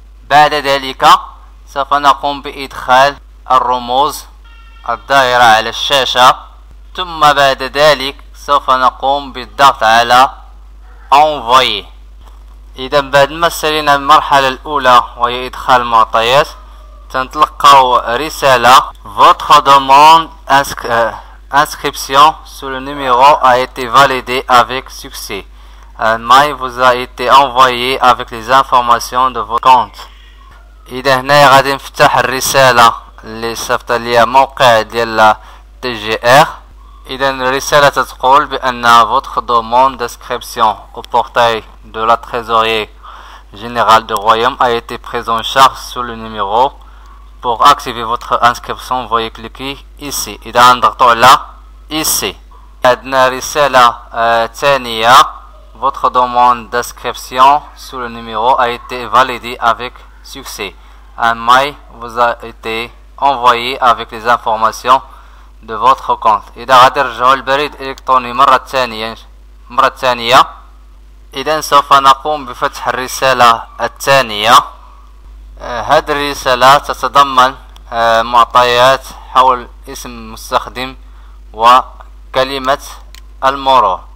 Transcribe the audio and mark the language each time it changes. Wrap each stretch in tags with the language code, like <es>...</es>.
<ar>بعد ذلك سوف نقوم بإدخال الرموز الدائرة على الشاشة، ثم بعد ذلك سوف نقوم بالضغط على Envoy. إذا بعد ما سلينا المرحلة الأولى وهي إدخال المعطيات، تنتلقاو رسالة</ar> <fr>Votre demande inscription sous le numéro a été validée avec succès. Un mail vous a été envoyé avec les informations de votre compte.</fr> <ar>إذا هنا غادي نفتح الرسالة اللي صيفط ليا موقع ديال لا تي جي ار. إذا الرسالة تقول بأن</ar> <fr>Votre demande d'inscription au portail de la trésorerie générale du royaume a été prise en charge sous le numéro. Pour activer votre inscription, veuillez cliquer ici.</fr> <ar>إذا نضغطو على ici. عندنا رسالة ثانية.</ar> <fr>Votre demande d'inscription sous le numéro a été validée avec succès. Un mail vous a été envoyé avec les informations de votre compte.</fr> <ar>إذا غادي نرجعو البريد الإلكتروني مرة ثانية. إذن سوف نقوم بفتح الرسالة الثانية. هذه الرسالة تتضمن معطيات حول اسم المستخدم وكلمة المرور.</ar>